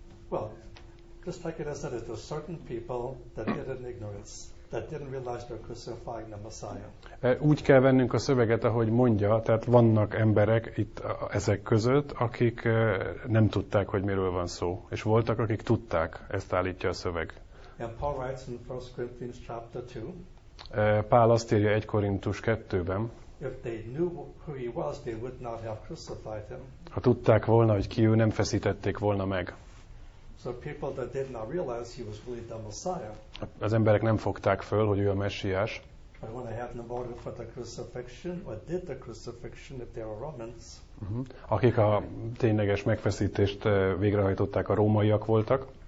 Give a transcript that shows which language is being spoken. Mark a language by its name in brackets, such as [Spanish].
[English] Well, just like it is said, it was certain people that did it in ignorance, that didn't realize they're crucifying the Messiah. [Hungarian] Úgy kell vennünk a szöveget, ahogy mondja, tehát vannak emberek itt ezek között, akik nem tudták, hogy miről van szó. És voltak, akik tudták, ezt állítja a szöveg. [English] And Paul writes in 1 Corinthians chapter 2. [Hungarian] Pál azt írja 1 Korintus 2-ben, [English] if they knew who he was, they would not have crucified him. [Hungarian] Ha tudták volna, hogy ki ő, nem feszítették volna meg. [English] So people that did not realize he was really the Messiah. [Hungarian] Az emberek nem fogták föl, hogy ő a Messiás. [English] But when they had an order for the crucifixion, or did the crucifixion, if they were Romans. Uh-huh. [Hungarian] Akik a tényleges megfeszítést végrehajtották, a rómaiak voltak.